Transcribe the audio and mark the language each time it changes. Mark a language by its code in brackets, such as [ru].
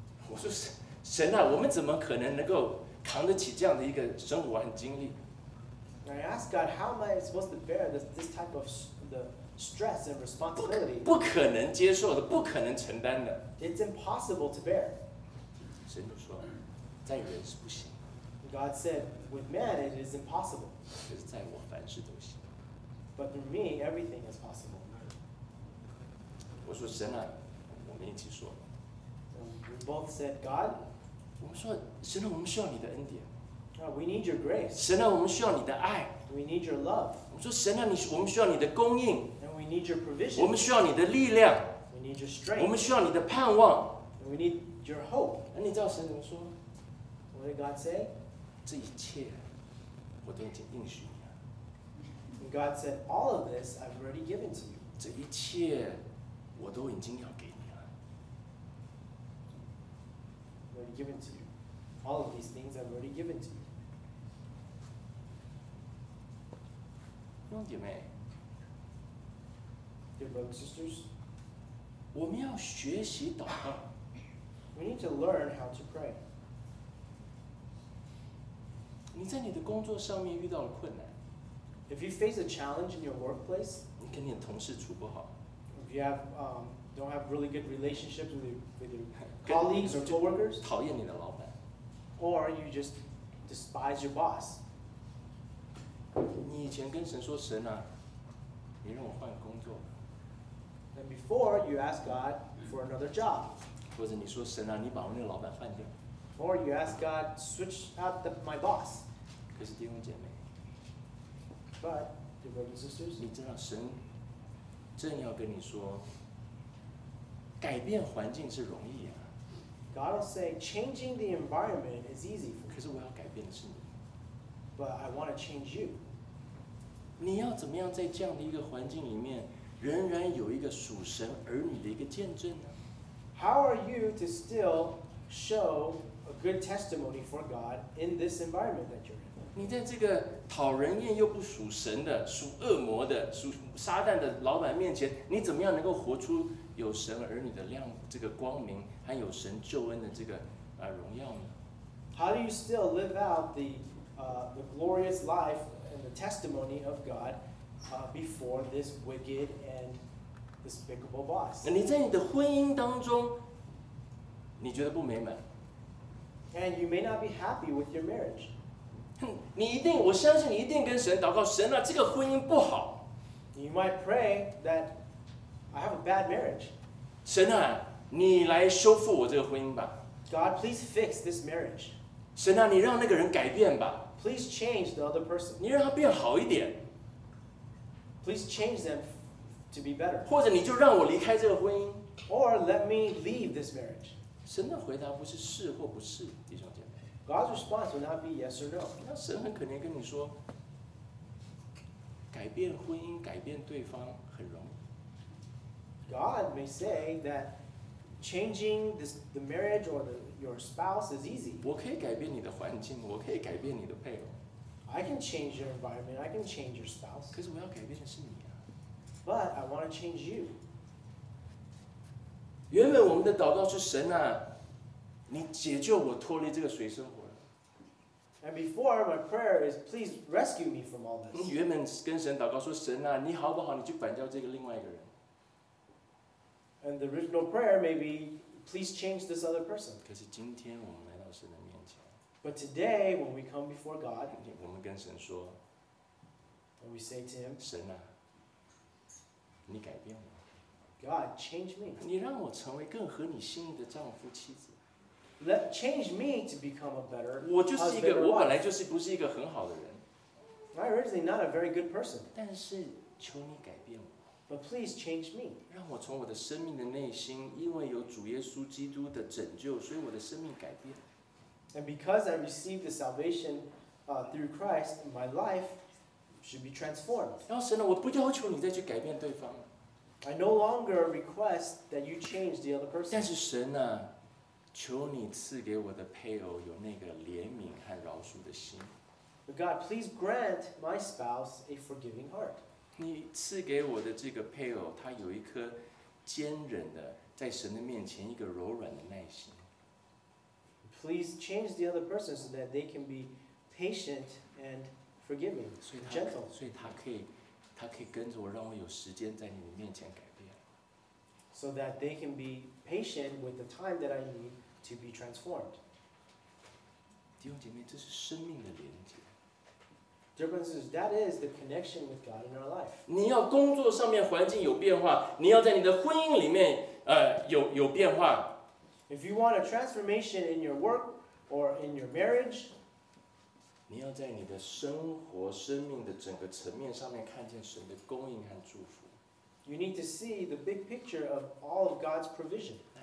[zh] 我说神啊，我们怎么可能能够？扛得起这样的一个生活和经历。 [en] I ask God, how am I supposed to bear this type of the stress and responsibility? [zh] 不可能接受的，不可能承担的。 [en] It's impossible to bear. [zh] 神就说，在人是不行。 [en] God said, with man it is impossible. [zh] 可是在我凡事都行。 [en] But through me everything is possible. [zh] 我说神啊，我们一起说。 [en] We both said, God. [zh] 我们说，神啊，我们需要你的恩典。 [en] We need your grace. [zh] 神啊，我们需要你的爱。 [en] We need your love. [zh] 我们说，神啊，我们需要你的供应。 [en] And we need your provision. [zh] 我们需要你的力量。 [en] We need need your strength. [zh] 我们需要你的盼望。 [en] We need your hope. [zh] 你知道神怎么说？ [en] What did God say? [zh] 这一切我都已经应许你了。 [en] And God said, all of this I've already given to you. [zh] 这一切我都已经要给你了。 [en] I've already given to you. All of these things I've already given to you. [zh] 兄弟妹。 [en] Dear brothers and sisters. [zh] 我们要学习祷告。 [en] We need to learn how to pray. [zh] 你在你的工作上面遇到了困难。 [en] If you face a challenge in your workplace, [zh] 你跟你的同事处不好。 [en] If you have, don't have really good relationships with your colleagues or coworkers, [zh] 讨厌你的老板。 [en] Or you just despise your boss. [zh] 你以前跟神说神啊，你让我换工作。 [en] And before you ask God for another job. [zh] 或者你说神啊，你把我那个老板换掉。 [en] Or you ask God switch out my boss. [zh] 可是弟兄姐妹。 [en] But dear brothers and sisters. [zh] 你知道神正要跟你说，改变环境是容易啊。 [en] God will say changing the environment is easy. [zh] 可是我要改变的是你。 [en] But I want to change you. [zh] 你要怎么样在这样的一个环境里面，仍然有一个属神儿女的一个见证呢？ [en] How are you to still show a good testimony for God in this environment that you're in? [zh] 你在这个讨人厌又不属神的、属恶魔的、属撒旦的老板面前，你怎么样能够活出有神儿女的亮、这个光明，还有神救恩的这个荣耀呢？ [en] How do you still live out the glorious life and the testimony of God before this wicked and despicable boss. [zh] 你在你的婚姻当中，你觉得不美满。 [en] And you may not be happy with your marriage. [zh] 你一定，我相信你一定跟神祷告，神啊，这个婚姻不好。 [en] You might pray that I have a bad marriage. [zh] 神啊，你来修复我这个婚姻吧。 [en] God, please fix this marriage. [zh] 神啊，你让那个人改变吧。 [en] Please change the other person. [zh] 你让他变好一点。 [en] Please change them. To be better. [zh] 或者你就让我离开这个婚姻。 [en] Or let me leave this marriage. [zh] 神的回答不是是或不是，弟兄姐妹。 [en] God's response will not be yes or no. [zh] 那神很可能跟你说，改变婚姻、改变对方很容易。 [en] God may say that changing the marriage or your spouse is easy. [zh] 我可以改变你的环境，我可以改变你的配偶。 [en] I can change your environment. I can change your spouse. [zh] 可是我要改变的是你。 [en] But I want to change you. [zh] 原本我们的祷告是神啊，你解救我脱离这个水深火热。 [en] And before my prayer is, please rescue me from all this. [zh] 你原本跟神祷告说神啊，你好不好？你去管教这个另外一个人。 [en] And the original prayer may be, please change this other person. [zh] 可是今天我们来到神的面前。 [en] But today when we come before God, [zh] 我们跟神说。 [en] And we say to him, [zh] 神啊。你改变我 [en] ，God change me。 [zh] 你让我成为更合你心意的丈夫妻子。 [en] Let change me to become a better husband. [zh] 我就是一个，我本来就是不是一个很好的人。 [en] I'm originally not a very good person. [zh] 但是求你改变我。 [en] But please change me. [zh] 让我从我的生命的内心，因为有主耶稣基督的拯救，所以我的生命改变。 [en] And because I received the salvation, through Christ, my life. Should be transformed. [zh] 然后神啊，我不要求你再去改变对方了。 [en] I no longer request that you change the other person. [zh] 但是神啊，求你赐给我的配偶有那个怜悯和饶恕的心。 [en] But God, please grant my spouse a forgiving heart. [zh] 你赐给我的这个配偶，他有一颗坚忍的，在神的面前一个柔软的耐心。 [en] Please change the other person so that they can be patient and. Forgive me, gentle. [zh] 所以他可以，他可以跟着我，让我有时间在你面前改变。 [en] So that they can be patient with the time that I need to be transformed. [zh] 弟兄姐妹，这是生命的连接。 [en] Dear brothers, that is the connection with God in our life. [zh] 你要工作上面环境有变化，你要在你的婚姻里面，有变化。 [en] If you want a transformation in your work or in your marriage. [zh] 你要在你的生活、生命的整个层面上面看见神的供应和祝福。 [en] You need to see the big picture of all of God's provision.